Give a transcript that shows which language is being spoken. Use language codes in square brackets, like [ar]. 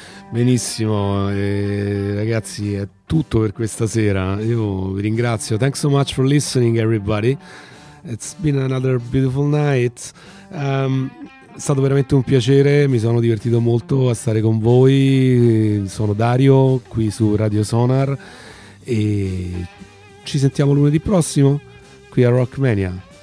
[it] Benissimo, ragazzi, è tutto per questa sera. Io vi ringrazio. [en] Thanks so much for listening, everybody. It's been another beautiful night. [it] È stato veramente un piacere, mi sono divertito molto a stare con voi. Sono Dario, qui su Radio Sonar, e ci sentiamo lunedì prossimo qui a Rockmania.